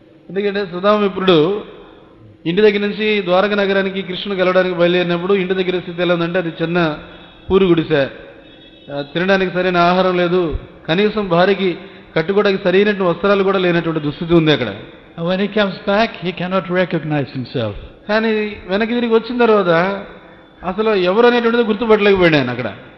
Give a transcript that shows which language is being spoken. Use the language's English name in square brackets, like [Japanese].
[Telugu] ఎందుకంటే సుధామిప్పుడు ఇంటి దగ్గర నుంచి ద్వారక నగరానికి కృష్ణుడు కలవడానికి బయలుదేరినప్పుడు ఇంటి దగ్గర స్థితి ఎలా ఉందంటే, అది చిన్న పూరి గుడిసె, తినడానికి సరైన ఆహారం లేదు, కనీసం భార్యకి కట్టుకోవడానికి సరైనటువంటి వస్త్రాలు కూడా లేనటువంటి దుస్థితి ఉంది అక్కడ. [English] When he comes back, he cannot recognize himself. [Telugu] కానీ వెనక్కి తిరిగి వచ్చిన తర్వాత అసలు ఎవరు అనేటువంటిది గుర్తుపట్టలేకపోయాను అక్కడ.